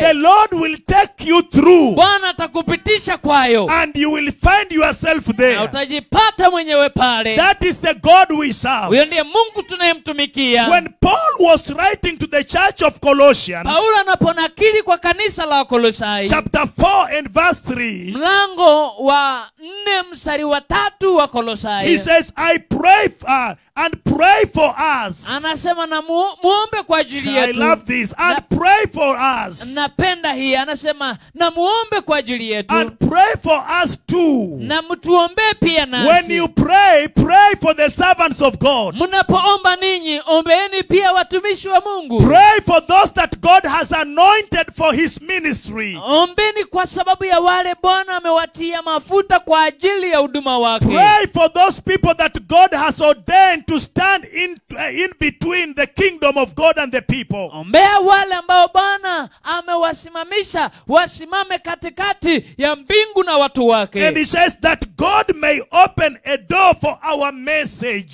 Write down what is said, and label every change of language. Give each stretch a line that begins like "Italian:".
English: the Lord will take you through.
Swahili: Bwana atakupitisha kwayo.
English: And you will find yourself there.
Swahili: Na utajipata mwenyewe pale.
English: That is the God we serve. When Paul was writing to the church of Colossians,
Swahili: Paulo anaponakili kwa kanisa la Kolosai,
English: chapter 4 and verse 3,
Swahili: mlango wa 4 mstari wa 3 wa Kolosai,
English: he says, I pray for and pray for us.
Swahili: Anasema na muombe kwa ajili yetu.
English: I love this. And na, pray for us.
Swahili: Napenda hii. Anasema na muombe kwa ajili yetu.
English: And pray for us too.
Swahili: Na mtuombe pia nasi.
English: When you pray, pray for the servants of God.
Swahili: Mnapoomba ninyi, ombeeni pia watumishi wa Mungu.
English: Pray for those that God has anointed for his ministry.
Swahili: Ombeni kwa sababu ya wale Bwana amewatia mafuta kwa ajili ya huduma wake.
English: Pray for those people that God has ordained to stand in between the kingdom of God and the people.
Swahili: Ombea wale ambao Bwana amewasimamisha wasimame katikati ya mbingu na watu wake.
English: And he says that God may open a door for our message.